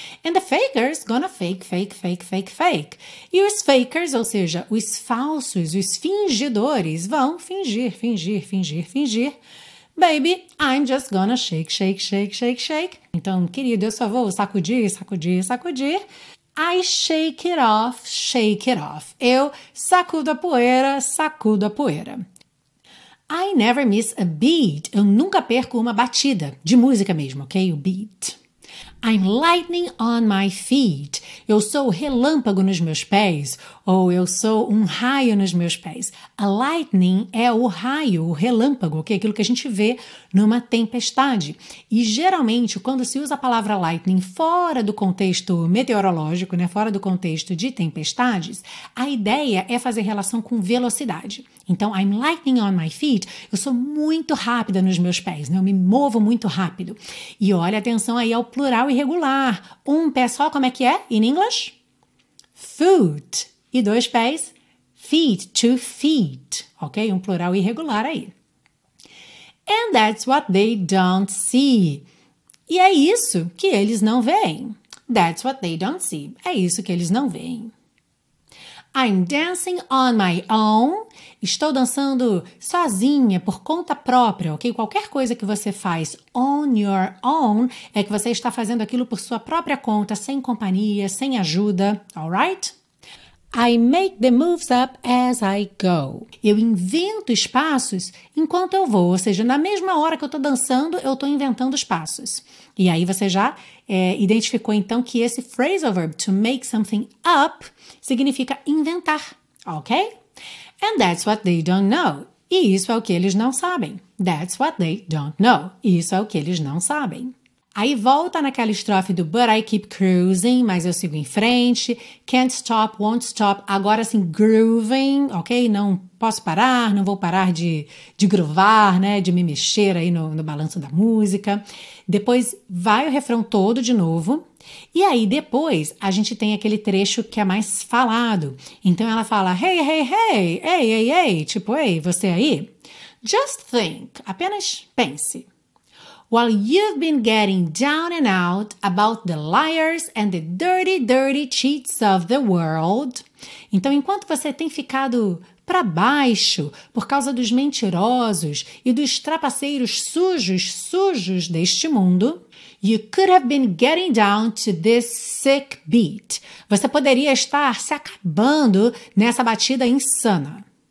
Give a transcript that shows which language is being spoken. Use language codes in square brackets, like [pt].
[en] And the fakers gonna fake, fake, [pt] fake, fake, fake. E os fakers, ou seja, os falsos, os fingidores, vão fingir, fingir, fingir, fingir. [en] Baby, I'm just gonna shake, shake, shake, shake, shake. [pt] Então, querido, eu só vou sacudir, sacudir, sacudir. [en] I shake it off, shake it off. [pt] Eu sacudo a poeira, sacudo a poeira. [en] I never miss a beat. [pt] Eu nunca perco uma batida de música mesmo, ok? O beat. [en] I'm lightning on my feet. [pt] Eu sou relâmpago nos meus pés. Ou eu sou um raio nos meus pés. A lightning é o raio, o relâmpago, ok? Aquilo que a gente vê numa tempestade. E geralmente, quando se usa a palavra lightning fora do contexto meteorológico, né? Fora do contexto de tempestades, a ideia é fazer relação com velocidade. Então, [en] I'm lightning on my feet, [pt] eu sou muito rápida nos meus pés, né? Eu me movo muito rápido. E olha atenção aí ao plural irregular. Um pé só, como é que é [en] in English? [pt] Foot. E dois pés? [en] Feet, two feet. [pt] Ok? Um plural irregular aí. [en] And that's what they don't see. [pt] E é isso que eles não veem. [en] That's what they don't see. [pt] É isso que eles não veem. [en] I'm dancing on my own. [pt] Estou dançando sozinha, por conta própria, ok? Qualquer coisa que você faz on your own é que você está fazendo aquilo por sua própria conta, sem companhia, sem ajuda, alright? [en] I make the moves up as I go. [pt] Eu invento os passos enquanto eu vou, ou seja, na mesma hora que eu estou dançando, eu estou inventando os passos. E aí você já identificou então que esse phrasal verb to make something up significa inventar, ok? [en] And that's what they don't know. [pt] E isso é o que eles não sabem. [en] That's what they don't know. [pt] E isso é o que eles não sabem. Aí volta naquela estrofe do [en] but I keep cruising, [pt] mas eu sigo em frente. [en] Can't stop, won't stop. [pt] Agora assim, [en] grooving, ok? [pt] Não posso parar, não vou parar de groovar, né? De me mexer aí no balanço da música. Depois vai o refrão todo de novo. E aí depois a gente tem aquele trecho que é mais falado. Então ela fala, hey, hey, hey, hey, hey, hey. Tipo, ei, hey, você aí? [en] Just think, [pt] apenas pense. [en] While you've been getting down and out about the liars and the dirty, dirty cheats of the world. [pt] Então, enquanto você tem ficado para baixo por causa dos mentirosos e dos trapaceiros sujos, sujos deste mundo, [en] you could have been getting down to this sick beat. [pt] Você poderia estar se acabando nessa batida insana.